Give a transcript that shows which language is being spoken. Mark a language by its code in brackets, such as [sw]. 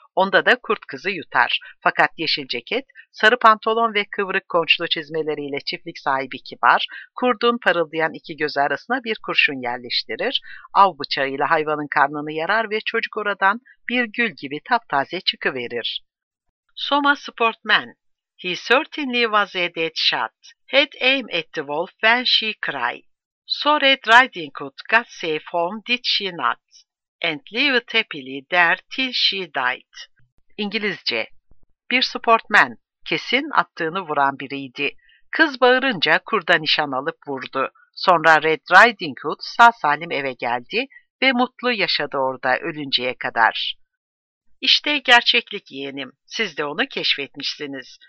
[tr] Onda da kurt kızı yutar. Fakat yeşil ceket, sarı pantolon ve kıvrık konçlu çizmeleriyle çiftlik sahibi kibar, kurdun parıldayan iki gözü arasına bir kurşun yerleştirir, av bıçağıyla hayvanın karnını yarar ve çocuk oradan bir gül gibi taptaze çıkıverir. [en] Soma Sportman. He certainly was a dead shot. Had aim at the wolf when she cried. So Red Riding Hood got safe home, did she not? And lived happily there till she died. [tr] İngilizce. Bir sportman. Kesin attığını vuran biriydi. Kız bağırınca kurda nişan alıp vurdu. Sonra Red Riding Hood sağ salim eve geldi ve mutlu yaşadı orada ölünceye kadar. İşte gerçeklik yeğenim. Siz de onu keşfetmişsiniz.